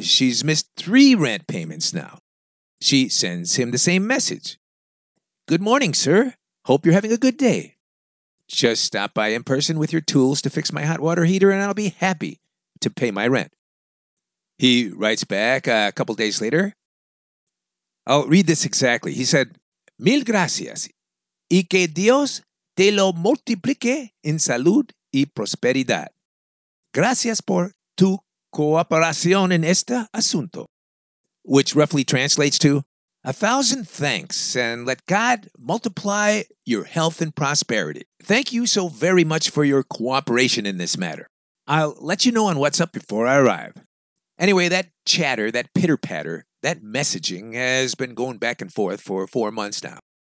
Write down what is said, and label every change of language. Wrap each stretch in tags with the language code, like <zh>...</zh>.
<en>She's missed 3 rent payments now. She sends him the same message. Good morning, sir. Hope you're having a good day. Just stop by in person with your tools to fix my hot water heater and I'll be happy to pay my rent. He writes back a couple days later. I'll read this exactly. He said,</en> <es>mil gracias y que Dios te lo multiplique en salud y prosperidad. Gracias por tu cooperación en este asunto.</es> <en>Which roughly translates to, 1,000 thanks and let God multiply your health and prosperity. Thank you so very much for your cooperation in this matter. I'll let you know on WhatsApp before I arrive. Anyway, that chatter, that pitter-patter, that messaging has been going back and forth for 4 months now.</en>